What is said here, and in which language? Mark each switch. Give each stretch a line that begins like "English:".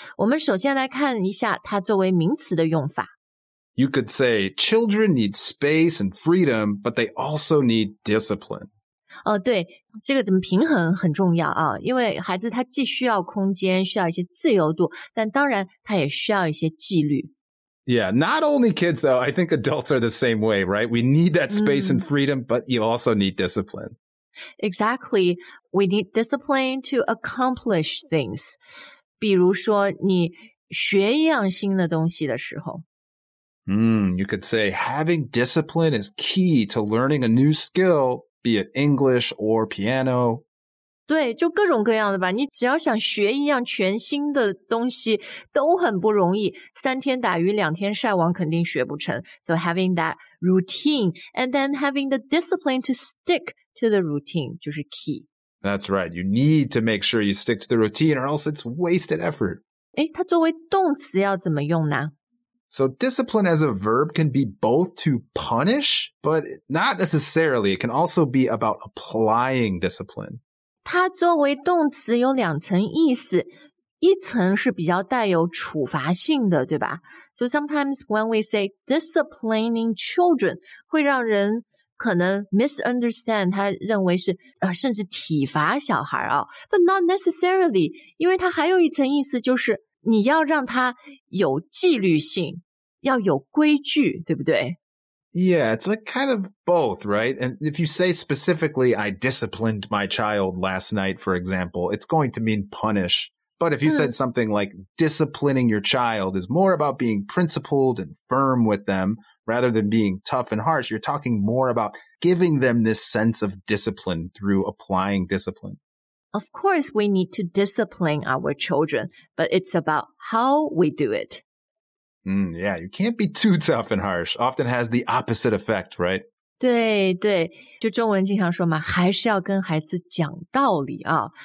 Chinese: 我们首先来看一下它作为名词的用法。
English: You could say children need space and freedom, but they also need discipline.
Chinese: 对这个怎么平衡很重要啊因为孩子他既需要空间需要一些自由度但当然他也需要一些纪律。
English: Yeah, not only kids though, I think adults are the same way, right? We need that space and freedom, but you also need discipline. Exactly, we need discipline to accomplish things.
Chinese: 比如说你学一样新的东西的时候。
English: You could say having discipline is key to learning a new skill,be it English or piano.
Chinese: 对就各种各样的吧你只要想学一样全新的东西都很不容易三天打鱼两天晒网肯定学不成。
English: So having that routine and then having the discipline to stick to the routine
Chinese: 就是
English: key. That's right. You need to make sure you stick to the routine or else it's wasted effort.
Chinese: 诶它作为动词要怎么用呢
English: So discipline as a verb can be both to punish, but not necessarily. It can also be about applying discipline.
Chinese: 它作为动词有两层意思。一层是比较带有处罚性的，对吧？
English: So sometimes when we say disciplining children,
Chinese: 会让人可能 misunderstand, 他认为是甚至体罚小孩啊。
English: But not necessarily,
Chinese: 因为它还有一层意思就是你要让他有纪律性要有规矩，对不对？
English: Yeah, it's like kind of both, right? And if you say specifically, I disciplined my child last night, for example, it's going to mean punish. But if you said something like disciplining your child is more about being principled and firm with them rather than being tough and harsh, you're talking more about giving them this sense of discipline through applying discipline. Of course, we need to discipline our children, but it's about how we do it. Yeah, you can't be too tough and harsh. Often has the opposite effect, right?
Chinese: 对对，就中文经常说嘛，还是要跟孩子讲道理啊。